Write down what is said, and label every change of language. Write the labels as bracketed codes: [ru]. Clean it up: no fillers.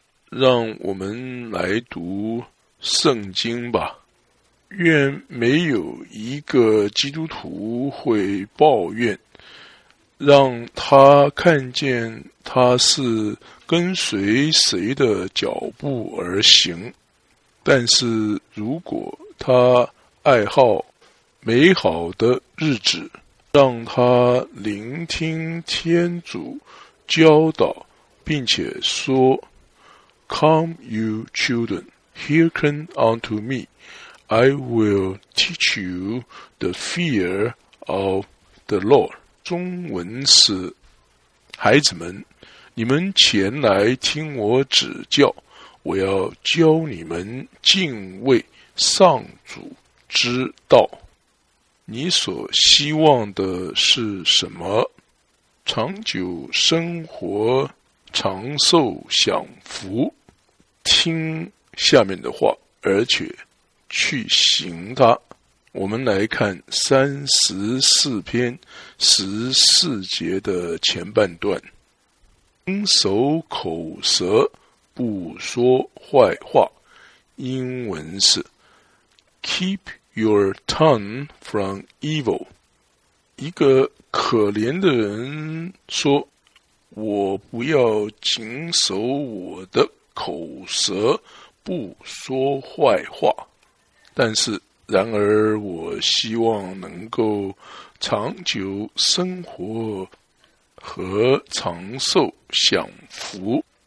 [zh] 让我们来读圣经吧。愿没有一个基督徒会抱怨，让他看见他是跟随谁的脚步而行。但是如果他爱好美好的日子，让他聆听天主教导，并且说 [en] Come you children, hearken unto me, I will teach you the fear of the Lord. [zh] 中文是：孩子们，你们前来听我指教，我要教你们敬畏上主之道。你所希望的是什么？长久生活，长寿享福。听下面的话，而且去行它。我们来看34篇14节的前半段：遵守口舌，不说坏话。英文是 [en] Keep your tongue from evil。 [zh] 一个可怜的人说：我不要谨守我的口舌，不说坏话。但是然而我希望能够长久生活和长寿享福。